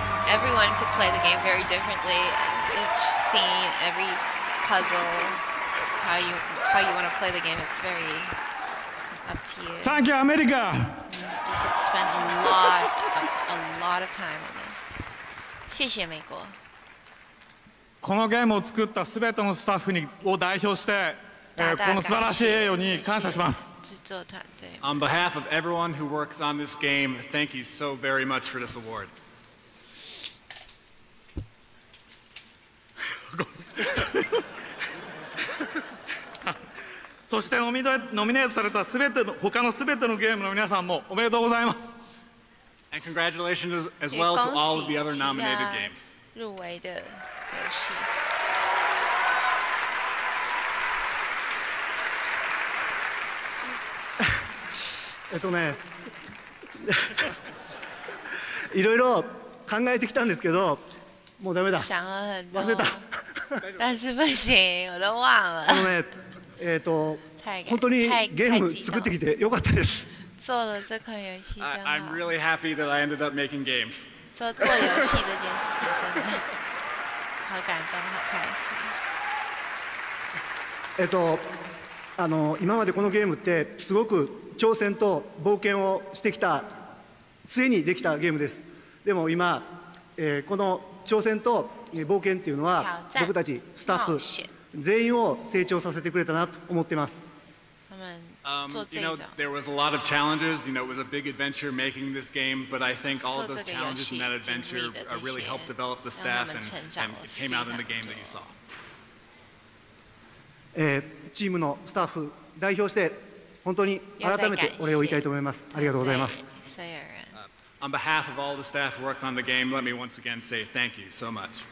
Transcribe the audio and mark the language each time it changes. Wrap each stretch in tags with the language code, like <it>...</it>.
<en>Everyone could play the game very differently. Each scene, every puzzle, how you want to play the game, it's very up to you. Thank you, America. You could spend a lot of time on this.</en> <zh>谢谢美国.</zh> <ja>このゲームを作ったすべてのスタッフにを代表して、この素晴らしい栄誉に感謝します。</ja> <en>On behalf of everyone who works on this game, thank you so very much for this award.</en> <ja>そしてノミネートされたすべての他のすべてのゲームの皆さんもおめでとうございます。</ja> <en>And congratulations as well to all of the other nominated games.</en> <zh>入围的游戏。</zh> <ja>いろいろ考えてきたんですけど、もうダメだ。</ja> <zh>想了很多。</zh> <ja>忘れた。</ja> <zh>但是不行，我都忘了。</zh> <ja>このね、本当にゲーム作ってきてよかったです。</ja> <zh>做了这款游戏。</zh> <en>I'm really happy that I ended up making games.</en> <zh>做游戏这件事情真的好感动，好开心。</zh> <ja>今までこのゲームってすごく挑戦と冒険をしてきた末にできたゲームです。でも今、この挑戦と冒険っていうのは僕たちスタッフ全員を成長させてくれたなと思っています。</ja> <en>You know, there was a lot of challenges. You know, it was a big adventure making this game, but I think all of those challenges and that adventure really helped develop the staff and it came out in the game that you saw.</en> <ja>チームのスタッフ代表して本当に改めてお礼を言いたいと思います。ありがとうございます。</ja> <en>On behalf of all the staff who worked on the game, let me once again say thank you so much.</en>